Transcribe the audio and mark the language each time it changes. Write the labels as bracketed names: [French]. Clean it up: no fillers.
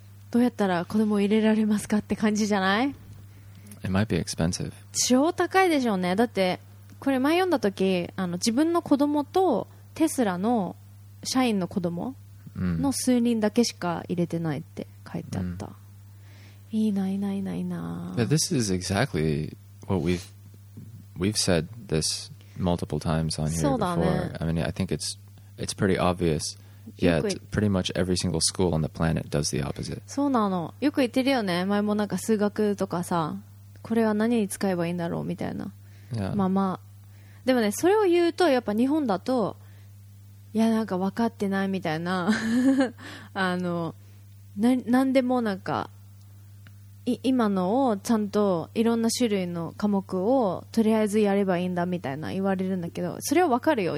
[Japanese] どうやったら子供を入れられますかって感じじゃない? [English] It might be expensive. [Japanese] 超高いでしょうね。だってこれ前読んだ時、自分の子供とテスラの社員の子供の数人だけしか入れてないって書いてあった。 Mm. いいな。 [English] But this is exactly what we've said this. Multiple times on here before. I mean, I think it's pretty obvious. Yet, pretty much every single school on the planet does the opposite. [Japanese] そうなの。よく言ってるよね。前もなんか数学とかさ、これは何に使えばいいんだろうみたいな。 [English] Yeah. [Japanese] まあ。でもね、それを言うとやっぱ日本だと、いやなんか分かってないみたいな。なんでもなんか。今のをちゃんといろんな種類の科目をとりあえずやればいいんだみたいな言われるんだけど、それはわかるよ。